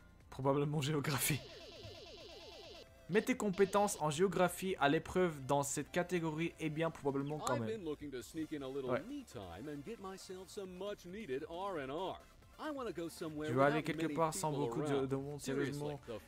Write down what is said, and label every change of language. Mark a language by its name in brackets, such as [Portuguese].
[French] Probablement géographie. Mets tes compétences en géographie à l'épreuve dans cette catégorie et bien probablement quand même. [English] I've been looking to sneak in a little me time and get myself some much needed R&R. I want to go somewhere. [French] Je veux aller quelque part sans beaucoup de monde, sérieusement.